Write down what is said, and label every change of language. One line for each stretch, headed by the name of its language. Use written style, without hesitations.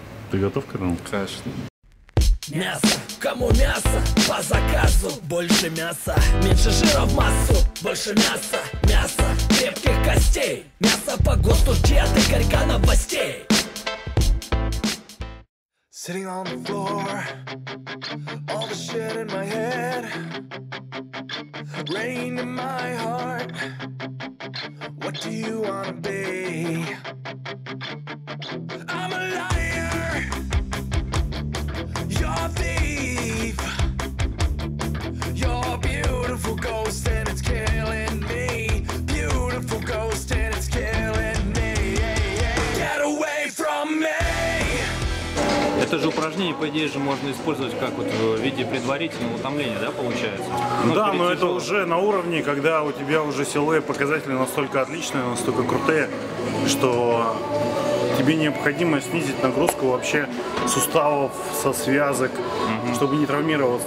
Russian: Ты готов к этому? Конечно. Мясо, кому мясо, по заказу. Больше мяса, меньше жира в массу. Больше мяса, мясо, крепких костей. Мясо по ГОСТу, диеты, горька новостей.
English: Sitting on the floor, all the shit in my head, rain in my heart, what do you wanna be? I'm a liar, you're a thief, you're a beautiful ghost and it's killing me, beautiful ghost and it's killing me, get away from me.
Russian: Это же упражнение, по идее же, можно использовать как вот в виде предварительного утомления, да, получается? Но это уже на уровне, когда у тебя уже силовые показатели настолько отличные, настолько крутые, что тебе необходимо снизить нагрузку вообще суставов, со связок, чтобы не травмироваться.